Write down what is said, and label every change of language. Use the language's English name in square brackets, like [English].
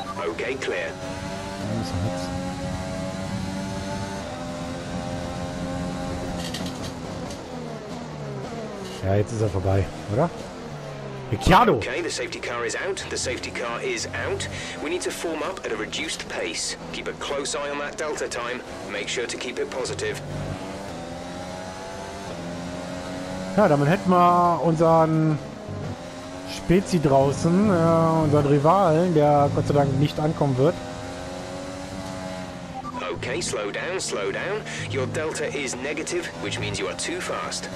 [English] Okay, clear. [German] Das ist nichts. Ja, jetzt ist er vorbei, oder? Ricciardo! [English] Okay, the safety car is out. The safety car is out. We need to form up at a reduced pace. Keep a close eye on that delta time. Make sure to keep it positive. [German] Ja, damit hätten wir unseren Spezi draußen, unseren Rivalen, der Gott sei Dank nicht ankommen wird. [English] Okay, slow down. Your delta is negative, which means you are too fast.